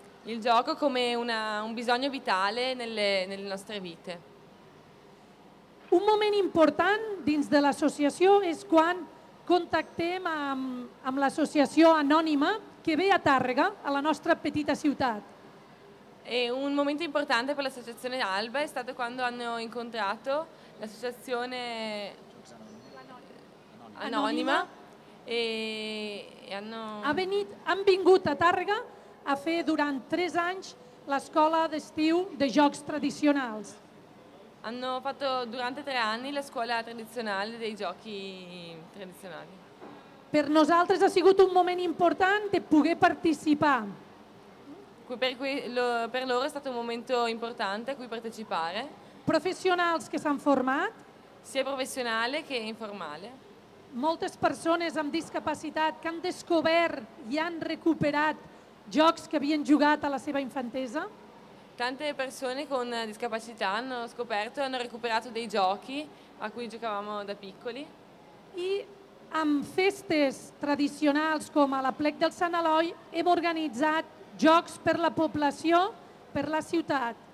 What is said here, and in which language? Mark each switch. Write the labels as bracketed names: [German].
[Italian] Il gioco come un bisogno vitale nelle nostre vite. [Catalan] Un moment important dins de l'associació és quan contactem amb l'associació anònima que ve a Tàrrega, a la nostra petita ciutat. [Italian] E un momento importante per l'associazione ALBA è stato quando hanno incontrato l'associazione Anonima e hanno... [Catalan] Han vingut a Tàrrega a fer durant 3 anys l'escola d'estiu de jocs tradicionals. [Italian] Hanno fatto durante 3 anni la scuola tradizionale dei giochi tradizionali. [Catalan] Per nosaltres ha sigut un moment important de poder participar. [Italian] Per loro è stato un momento importante a cui partecipare. [Catalan] Professionals que s'han format. [Italian] Sia professionale che informale. [Catalan] Moltes persones amb discapacitat que han descobert i han recuperat jocs que havien jugat a la seva infantesa. [Italian] Tante persone con discapacità hanno scoperto e hanno recuperato dei giochi a cui giocavamo da piccoli. [Catalan] I amb festes tradicionals com a l'Aplec del Sant Eloi hem organitzat jocs per la població, per la ciutat.